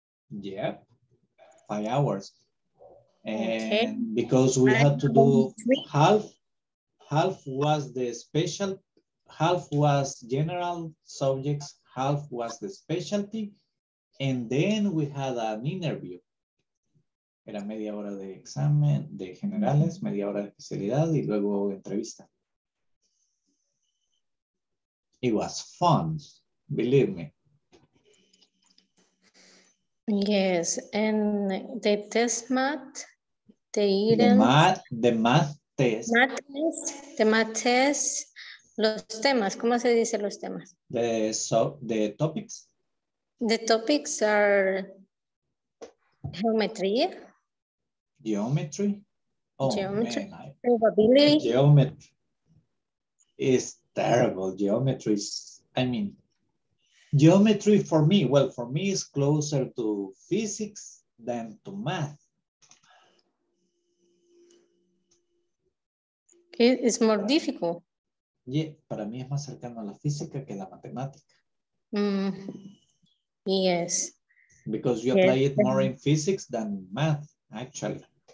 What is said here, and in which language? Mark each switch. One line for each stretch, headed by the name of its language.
English: Yep. 5 hours. And because we had to do half was the special, half was general subjects, half was the specialty. And then we had an interview.
Spanish: Era media hora de examen de generales, media hora de especialidad y luego entrevista.
English: It was fun, believe me. Yes, and the test mat, they didn't. The math test,
Spanish: los temas, ¿cómo se dice los temas?
English: The topics. The topics are geometría. Geometry? Geometry. Geometry is terrible. Geometry for me, well, for me is closer to physics than to math. It's more difficult.
Spanish: Yeah, para mí es más cercano a la física que a la matemática.
English: Yes. Because you apply it more in physics than math, actually.